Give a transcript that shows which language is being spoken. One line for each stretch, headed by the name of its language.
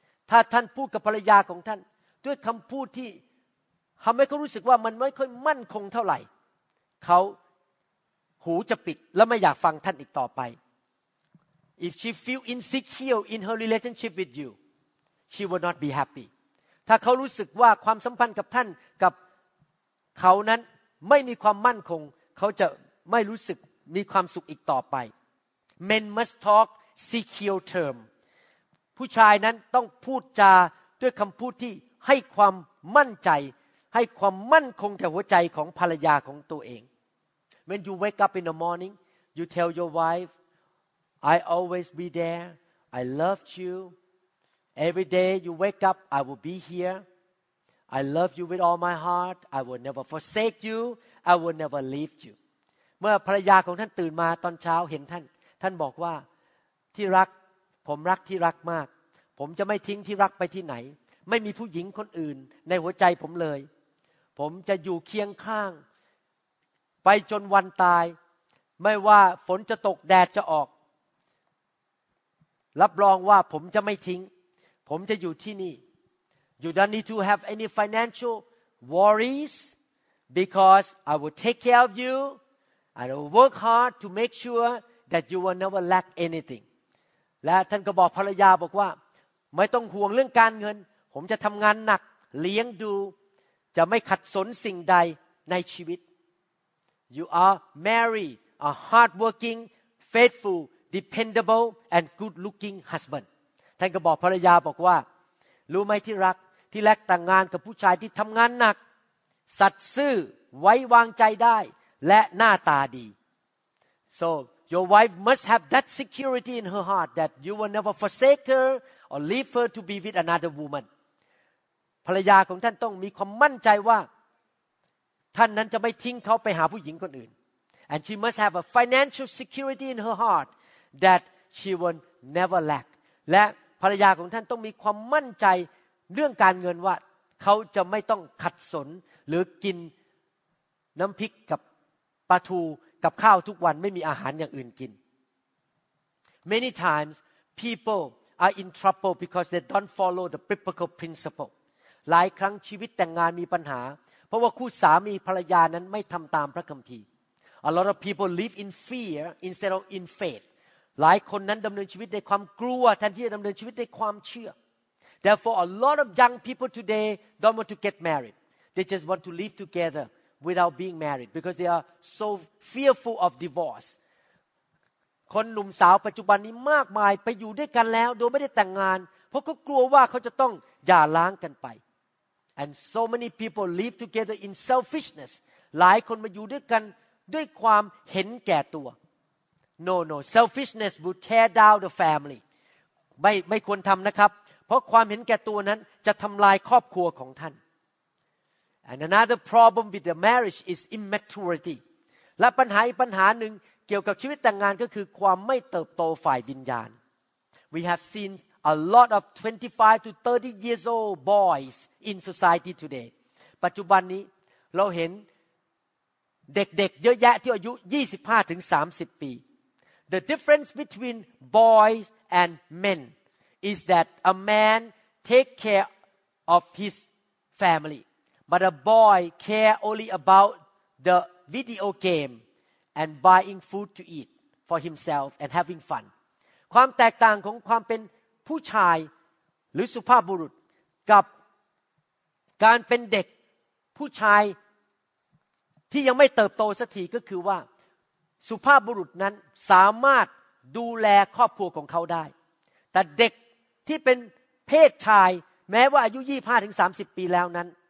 Thai: ถ้าท่านพูดกับภรรยาของท่านด้วยคำพูดที่ทำให้เขารู้สึกว่ามันไม่ค่อยมั่นคงเท่าไหร่เขาหูจะปิดและไม่อยากฟังท่านอีกต่อไป
English: If she feel insecure in her relationship with you, she will not be happy.
Thai: ถ้าเขารู้สึกว่าความสัมพันธ์กับท่านกับเขานั้นไม่มีความมั่นคงเขาจะไม่รู้สึกมีความสุขอีกต่อไป
English: Men must talk secure term.
Thai: ผู้ชายนั้นต้องพูดจาด้วยคำพูดที่ให้ความมั่นใจให้ความมั่นคงแก่หัวใจของภรรยาของตัวเอง
English: When you wake up in the morning you tell your wife I always be there I love you Every day you wake up I will be here I love you with all my heart I will never forsake you I will never leave you
Thai: เมื่อภรรยาของท่านตื่นมาตอนเช้าเห็นท่านท่านบอกว่าที่รักผมรักที่รักมากผมจะไม่ทิ้งที่รักไปที่ไหนไม่มีผู้หญิงคนอื่นในหัวใจผมเลยผมจะอยู่เคียงข้างไปจนวันตายไม่ว่าฝนจะตกแดดจะออกรับรองว่าผมจะไม่ทิ้งผมจะอยู่ที่นี่
English: You don't need to have any financial worries because I will take care of you I will work hard to make sure that you will never lack anything
Thai: และท่านก็บอกภรรยาบอกว่าไม่ต้องห่วงเรื่องการเงินผมจะทำงานหนักเลี้ยงดูจะไม่ขัดสนสิ่งใดในชีวิต
English: You are married, a hardworking, faithful, dependable, and good-looking husband.
Thai: ท่านก็บอกภรรยาบอกว่ารู้ไหมที่รักที่แลกแต่งงานกับผู้ชายที่ทำงานหนักสัตย์ซื่อไว้วางใจได้และหน้าตาดี
English: SoYour wife must have that security in her heart that you will never forsake her or leave her to be with another woman.
Thai: ภรรยาของท่านต้องมีความมั่นใจว่าท่านนั้นจะไม่ทิ้งเขาไปหาผู้หญิงคนอื่น
English: And she must have a financial security in her heart that she will never lack.
Thai: และภรรยาของท่านต้องมีความมั่นใจเรื่องการเงินว่าเขาจะไม่ต้องขัดสนหรือกินน้ำพริกกับปลาทูกับข้าวทุกวันไม่มีอาหารอย่างอื่นกิน
English: Many times people are in trouble because they don't follow the biblical principle
Thai: หลายครั้งชีวิตแต่งงานมีปัญหาเพราะว่าคู่สามีภรรยานั้นไม่ทำตามพระคัมภีร์
English: A lot of people live in fear instead of in faith
Thai: หลายคนนั้นดำเนินชีวิตในความกลัวแทนที่จะดำเนินชีวิตในความเชื่อ
English: Therefore a lot of young people today don't want to get married they just want to live togetherwithout being married because they are so fearful of divorce
Thai: คนหนุ่มสาวปัจจุบันนี้มากมายไปอยู่ด้วยกันแล้วโดยไม่ได้แต่งงานเพราะเขากลัวว่าเขาจะต้องหย่าร้างกันไป
English: and so many people live together in selfishness
Thai: หลายคนมาอยู่ด้วยกันด้วยความเห็นแก่ตัว
English: no selfishness would tear down the family
Thai: ไม่ควรทำนะครับเพราะความเห็นแก่ตัวนั้นจะทำลายครอบครัวของท่าน
English: And another problem with the marriage is immaturity.
Thai: และปัญหาอีกปัญหาหนึ่งเกี่ยวกับชีวิตแต่งงานก็คือความไม่เติบโตฝ่ายวิญญาณ
English: We have seen a lot of 25 to 30 years old boys in society today.
Thai: ปัจจุบันนี้เราเห็นเด็กๆเยอะแยะที่อายุ 25 ถึง 30 ปี
English: The difference between boys and men is that a man take care of his family. But a boy care only about the video game and buying food to eat for himself and having fun.
Thai: ความแตกต่างของความเป็นผู้ชายหรือสุภาพบุรุษกับการเป็นเด็กผู้ชายที่ยังไม่เติบโตสักทีก็คือว่าสุภาพบุรุษนั้นสามารถดูแลครอบครัวของเขาได้แต่เด็กที่เป็นเพศชายแม้ว่าอายุ 25 ถึง 30 ปีแล้วนั้น